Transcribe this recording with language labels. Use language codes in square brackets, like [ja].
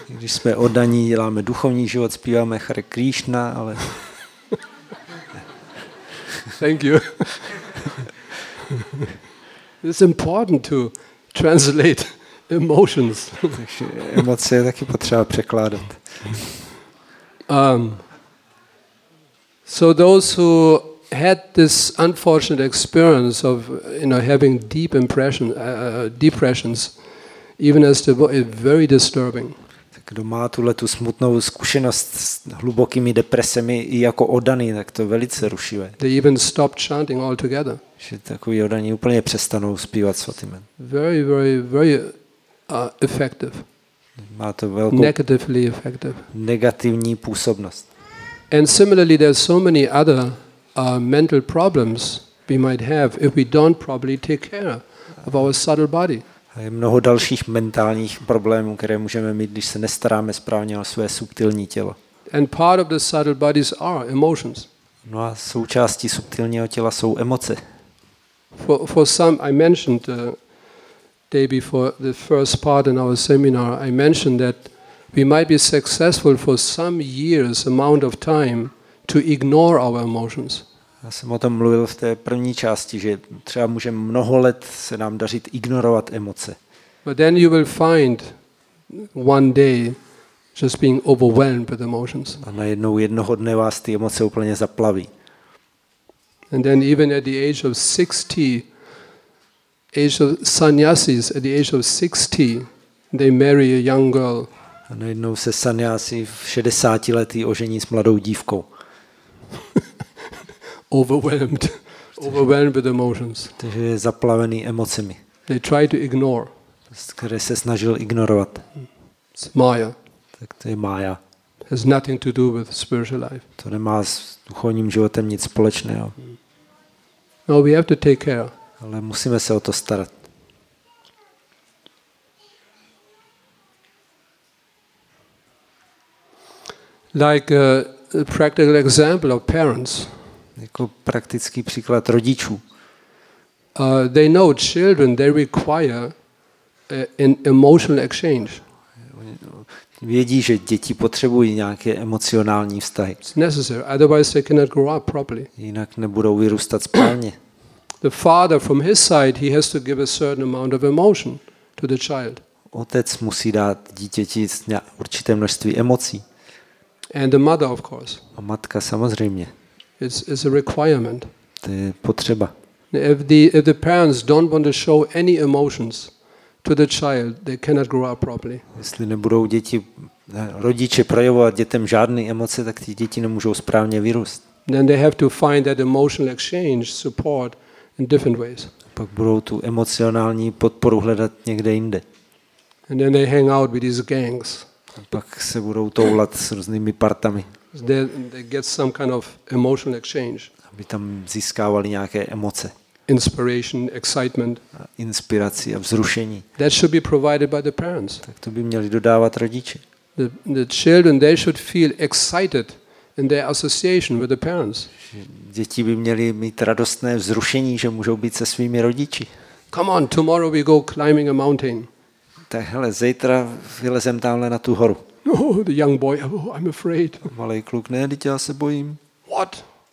[cs] Když jsme oddaní, děláme duchovní život, zpíváme Hare Krishna, ale [en] thank you. It's important to translate emotions. [cs] Emoce je taky potřeba překládat. [en] So those who had this unfortunate experience of, you know, having deep impression depressions, even as the very disturbing. [cs] Tak kdo má tuhle tu smutnou zkušenost s hlubokými depresemi i jako odaný, tak to velice rušivé. [en] They even stopped chanting altogether. [cs] Že takový odaní úplně přestanou zpívat svatý jmen. [en] Very, very, very effective. [cs] Má to velkou [en] negatively effective. [cs] Negativní působnost. [en] And similarly, there's so many other mental problems we might have if we don't properly take care of our subtle body. [cs] A je mnoho dalších mentálních problémů, které můžeme mít, když se nestaráme správně o své subtilní tělo. [en] And part of the subtle bodies are emotions. [cs] No a součástí subtilního těla jsou emoce. [en] For some, I mentioned day before the first part in our seminar, I mentioned that we might be successful for some years amount of time to ignore our emotions. [cs] Já jsem o tom mluvil v té první části, že třeba může mnoho let se nám dařit ignorovat emoce. [en] But then you will find one day just being overwhelmed with emotions. [cs] A najednou jednoho dne vás ty emoce úplně zaplaví. [en] And then even at the age of 60, age of sannyasis, at the age of 60, they marry a young girl. [cs] A najednou se sannyasi v 60 letý ožení s mladou dívkou. [en] Overwhelmed. Overwhelmed with emotions. [cs] Takže je zaplavený emocemi. [en] They try to ignore. [cs] Které se snažil ignorovat. [en] It's Maya. [cs] Tak to je Maya. [en] Has nothing to do with spiritual life. [cs] To nemá s duchovním životem nic společného. [en] No, we have to take care. [cs] Ale musíme se o to starat. [en] Like a practical example of parents. [cs] Jako praktický příklad rodičů. [en] They know children, they require an emotional exchange. [cs] Vědí, že děti potřebují nějaké emocionální vztahy. [en] It's necessary, otherwise they cannot grow up properly. [cs] Jinak nebudou vyrůstat správně. [en] The father from his side, he has to give a certain amount of emotion to the child. [cs] Otec musí dát dítěti určité množství emocí. [en] And the mother, of course. [cs] A matka samozřejmě. [en] It's a requirement. [cs] To je potřeba. [en] If the parents don't want to show any emotions to the child, they cannot grow up properly. [cs] Jestli nebudou děti, rodiče projevovat dětem žádné emoce, tak ty děti nemůžou správně vyrůst. [en] Then they have to find that emotional exchange support in different ways. [cs] Pak budou tu emocionální podporu hledat někde jinde. [en] And then they hang out with these gangs. [cs] A pak se budou toulat s různými partami. [en] They get some kind of emotional exchange. [cs] Aby tam získávali nějaké emoce. [en] Inspiration, excitement. [cs] A inspiraci a vzrušení. [en] That should be provided by the parents. [cs] Tak to by měli dodávat rodiče. [en] The children, they should feel excited in their association with the parents. [cs] Děti by měli mít radostné vzrušení, že můžou být se svými rodiči. [en] Come on, tomorrow we go climbing a mountain. [cs] Tak hele, zítra vylezem tamhle na tu horu. [en] No, the young boy, oh, I'm afraid. [cs] Malý kluk, ne, teď já se bojím. [en] What?